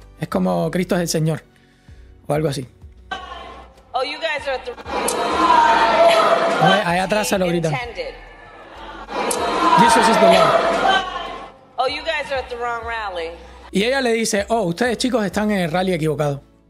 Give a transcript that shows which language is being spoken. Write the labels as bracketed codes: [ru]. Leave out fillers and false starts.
[es] Es como Cristo es el Señor o algo así. [en] Oh, you guys are at the... [es] Ahí atrás se lo gritan. [en] Jesus is the Lord. Oh, you guys are at the wrong rally. [es] Y ella le dice, oh, ustedes chicos están en el rally equivocado.